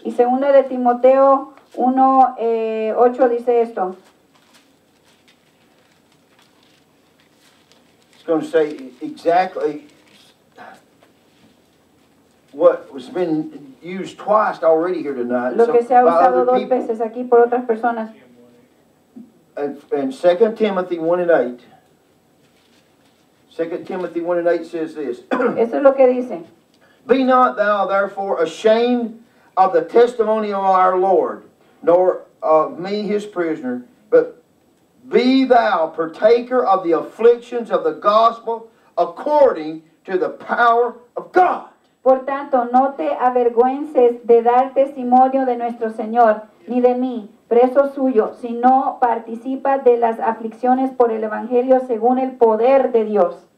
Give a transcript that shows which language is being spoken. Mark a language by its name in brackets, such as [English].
[Spanish] Y segunda de Timoteo 1, 8 dice esto. [English] It's going to say exactly what has been used twice already here tonight. [Spanish] Lo que se ha usado dos veces aquí por otras personas. [English] And 2 Timothy 1 and 8. 2 Timothy 1 and 8 says this. [Spanish] Eso es lo que dice. [English] Be not thou therefore ashamed of the testimony of our Lord, nor of me his prisoner, but be thou partaker of the afflictions of the gospel according to the power of God. [Spanish] Por tanto, no te avergüences de dar testimonio de nuestro Señor, ni de mí, preso suyo, sino participa de las aflicciones por el Evangelio según el poder de Dios.